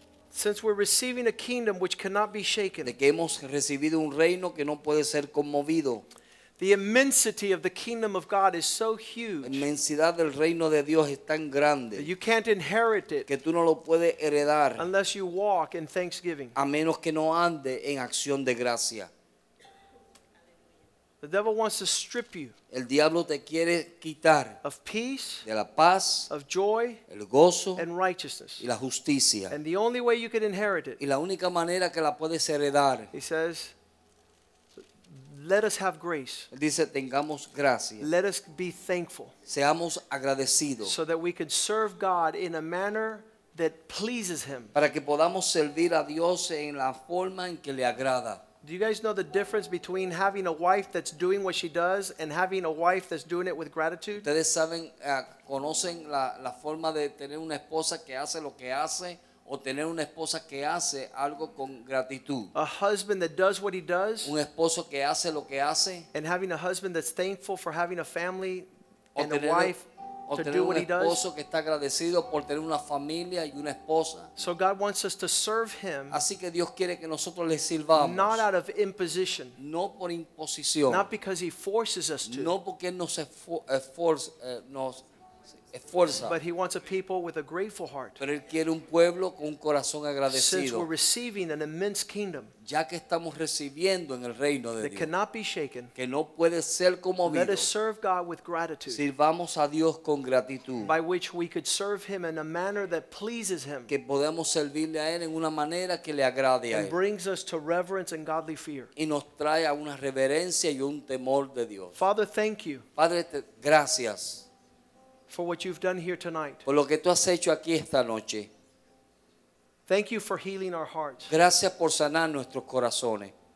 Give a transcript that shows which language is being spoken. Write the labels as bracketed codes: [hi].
[en] Since we're receiving a kingdom which cannot be shaken. [es] De que hemos recibido un reino que no puede ser conmovido. [en] The immensity of the kingdom of God is so huge. [es] La inmensidad del reino de Dios es tan grande. [en] You can't inherit it. [es] Que tú no lo puedes heredar. [en] Unless you walk in thanksgiving. [es] A menos que no ande en acción de gracia. [en] The devil wants to strip you. [es] El diablo te quiere quitar. [en] Of peace. [es] De la paz. [en] Of joy. [es] El gozo. [en] And righteousness. [es] Y la justicia. [en] And the only way you can inherit it. [es] Y la única manera que la puedes heredar. [en] He says, let us have grace. [es] Dice, tengamos gracia. [en] Let us be thankful. [es] Seamos agradecidos. [en] So that we could serve God in a manner that pleases him. [es] Para que podamos servir a Dios en la forma en que le agrada. [en] Do you guys know the difference between having a wife that's doing what she does and having a wife that's doing it with gratitude? [es] ¿Ustedes saben, conocen la forma de tener una esposa que hace lo que hace o tener una esposa que hace algo con gratitud? [en] A husband that does what he does. [es] Un esposo que hace lo que hace. [en] And having a husband that's thankful for having a family and a wife. [es] O tener un esposo que está agradecido por tener una familia y una esposa. [en] So God wants us to serve him. [es] Así que Dios quiere que nosotros le sirvamos. [en] Not out of imposition. [es] No por imposición. [en] Not because he forces us to. [es] No porque nos esfuerza. [en] But he wants a people with a grateful heart. [es] Pero él quiere un pueblo con un corazón agradecido. [en] Since we're receiving an immense kingdom. [es] Ya que estamos recibiendo en el reino de [en] Dios. Cannot be shaken. [es] Que no puede ser conmovido. [en] Let us serve God with gratitude. [es] Sirvamos a Dios con gratitud. [en] By which we could serve him in a manner that pleases him. [es] Que podamos servirle a él en una manera que le agrade a él. [en] And brings us to reverence and godly fear. [es] Y nos trae a una reverencia y un temor de Dios. [en] Father, thank you. [es] Padre, gracias. [en] For what you've done here tonight. [es] Por lo que tú has hecho aquí esta noche. [en] Thank you for healing our hearts. [es] Gracias por sanar nuestros corazones.